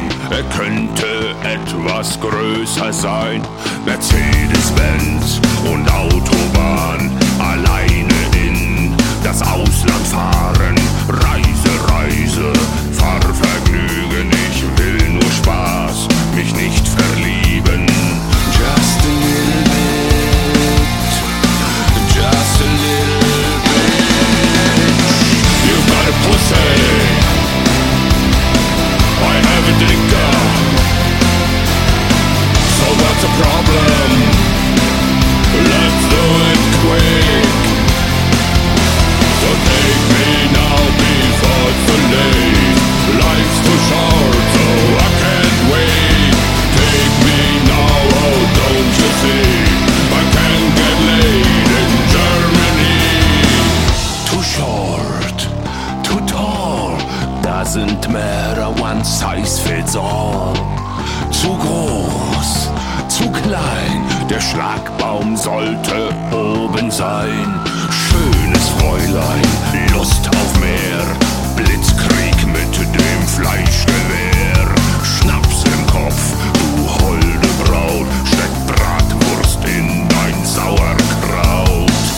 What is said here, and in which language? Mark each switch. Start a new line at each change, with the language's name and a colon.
German: Er könnte etwas größer sein. Mercedes-Benz und Autobahn, alleine in das Ausland fahren. Reise, Reise, Fahrvergnügen, ich will nur Spaß, mich nicht verlieben.
English: Just a little bit, just a little bit. You've got a pussy, I have a dicker. So what's the problem? Let's do it quick. So take me now before it's too late. Life's too short, so I can't wait. Take me now, oh don't you see, I can't get laid in Germany. Too short, too tall, doesn't matter, one size fits all.
German: Zu groß, zu klein, der Schlagbaum sollte oben sein. Schönes Fräulein, Lust auf mehr, Blitzkrieg mit dem Fleischgewehr. Schnaps im Kopf, du holde Braut, steck Bratwurst in dein Sauerkraut.